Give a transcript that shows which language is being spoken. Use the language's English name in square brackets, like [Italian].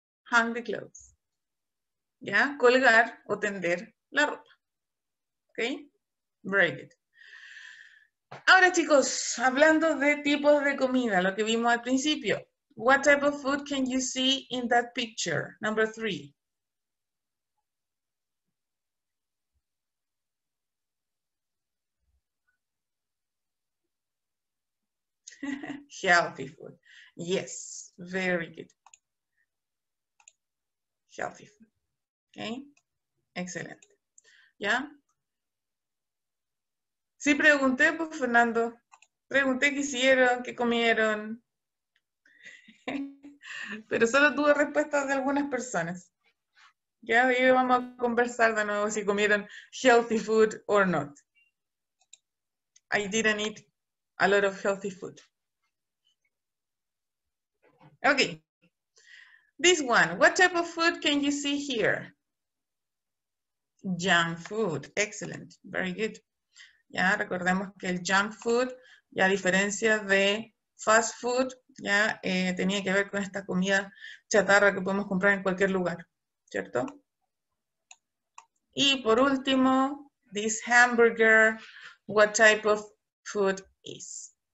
[English] Hang the clothes. [Spanish] ¿Ya? Colgar o tender la ropa. ¿Ok? [English] Braid it. [Spanish] Ahora, chicos, hablando de tipos de comida, lo que vimos al principio. [English] What type of food can you see in that picture? Number three. Healthy food. Yes, very good. Healthy food. Okay, excellent. ¿Ya? [Spanish] Sí, pregunté, pues, Fernando. Pregunté qué hicieron, qué comieron. Pero solo tuve respuestas de algunas personas. Ya, y vamos a conversar de nuevo si comieron [English] healthy food or not. I didn't eat a lot of healthy food. Okay. This one. What type of food can you see here? Junk food. Excellent. Very good. [Spanish] Ya, recordemos que el junk food, ya a diferencia de fast food, ya tenía que ver con esta comida chatarra que podemos comprar en cualquier lugar, ¿cierto? Y por último, [English] this hamburger, what type of food is?